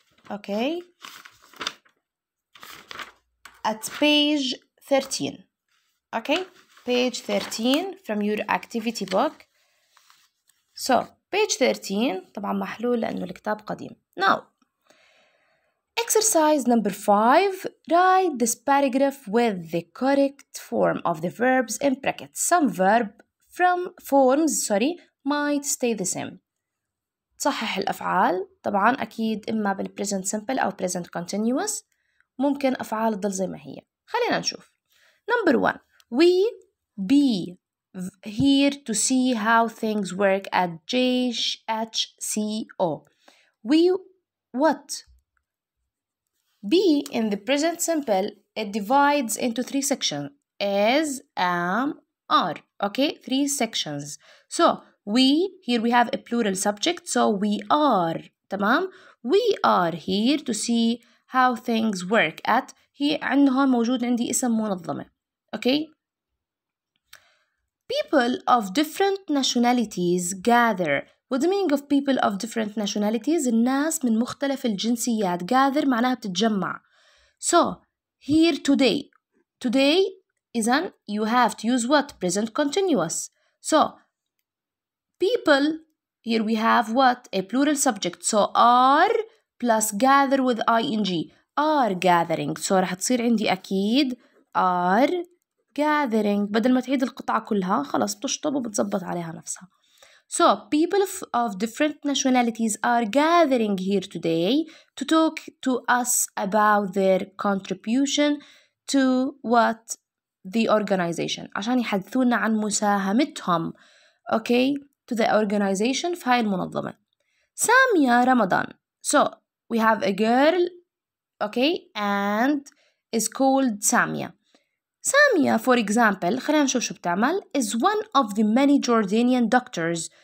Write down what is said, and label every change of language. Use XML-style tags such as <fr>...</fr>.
<en>Okay? At page 13. Okay? Page 13 from your activity book.</en> <ar>So, page 13, طبعاً محلول لأنه الكتاب قديم.</ar> <en>Now, exercise number 5. Write this paragraph with the correct form of the verbs in brackets. Some verb from forms, sorry, might stay the same.</en> <ar>صحح الأفعال. طبعاً أكيد إما بالpresent simple أو present continuous. ممكن أفعال تضل زي ما هي. خلينا نشوف. Number 1.</ar> <en>We be here to see how things work at JHCO. We what? Be in the present simple, it divides into three sections. Is, am, are. Okay, three sections. So, we, here we have a plural subject. So, we are. تمام? We are here to see how things work at.</en> <ar>Here, عندهم موجود عندي اسم منظمة.</ar> <en>Okay? People of different nationalities gather. What's the meaning of people of different nationalities?</en> <ar>الناس من مختلف الجنسيات.</ar> <en>Gather معناها بتتجمع. So, here today. Today, إذن, you have to use what? Present continuous. So, people, here we have what? A plural subject. So, are plus gather with ing. Are gathering. So, رح تصير عندي أكيد. Are gathering.</en> <ar>بدل ما تعيد القطعة كلها خلاص بتشطب وبتزبط عليها نفسها.</ar> <en>So people of different nationalities are gathering here today to talk to us about their contribution to what the organization.</en> <ar>عشان يحدثونا عن مساهمتهم. Okay.</ar> <en>To the organization في هاي المنظمة.</en> <ar>سامية رمضان. So we have a girl. Okay.</ar> <en>And is called سامية. سامية, for example, خلينا نشوف شو بتعمل, is one of the many Jordanian doctors.</en>